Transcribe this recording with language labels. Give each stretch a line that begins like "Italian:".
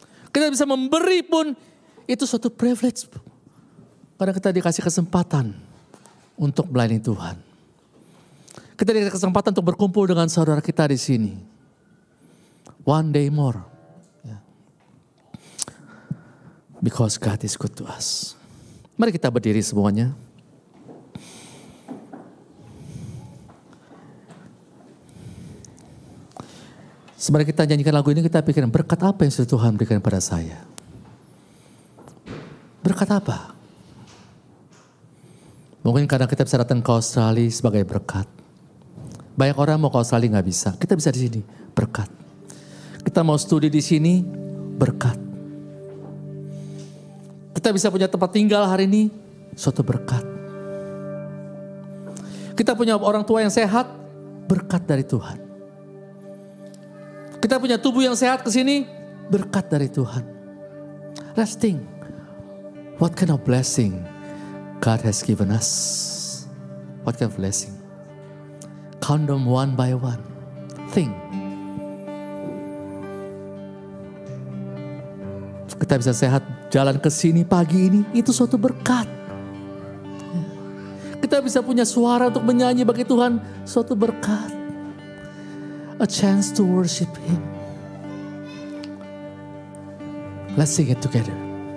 Indonesian: Kita bisa memberi pun itu suatu privilege. Karena kita dikasih kesempatan untuk melayani Tuhan. Kita dikasih kesempatan untuk berkumpul dengan saudara kita di sini.
English: One day more. Because God is good to us.
Indonesian: Mari kita berdiri semuanya. Sebenarnya kita nyanyikan lagu ini, kita pikirin berkat apa yang sudah Tuhan berikan pada saya. Berkat apa? Mungkin karena kita bisa datang ke Australia sebagai berkat. Banyak orang mau ke Australia gak bisa. Kita bisa di sini, berkat. Kita mau studi di sini, berkat. Kita bisa punya tempat tinggal hari ini, suatu berkat. Kita punya orang tua yang sehat, berkat dari Tuhan. Kita punya tubuh yang sehat ke sini, berkat dari Tuhan.
English: Let's think, what kind of blessing God has given us? What kind of blessing? Count them one by one. Think.
Indonesian: Kita bisa sehat jalan ke sini pagi ini, itu suatu berkat. Kita bisa punya suara untuk menyanyi bagi Tuhan, suatu berkat.
English: A chance to worship Him. Let's sing it together.